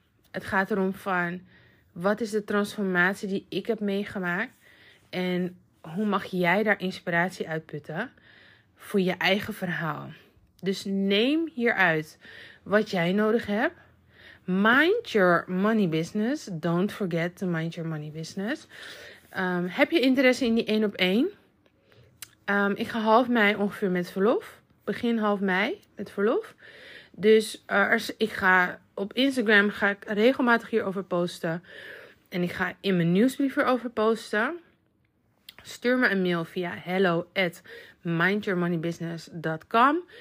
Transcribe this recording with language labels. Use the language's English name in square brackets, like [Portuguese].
[Dutch] Het gaat erom van, wat is de transformatie die ik heb meegemaakt? En hoe mag jij daar inspiratie uit putten voor je eigen verhaal? Dus neem hieruit wat jij nodig hebt. [English] Mind your money business. Don't forget to mind your money business. [Dutch] Heb je interesse in die 1-op-1? Ik ga half mei ongeveer met verlof. Begin half mei met verlof. Dus ik ga op Instagram ga ik regelmatig hierover posten. En ik ga in mijn nieuwsbrief erover posten. Stuur me een mail via hello@mindyourmoneybusiness.com.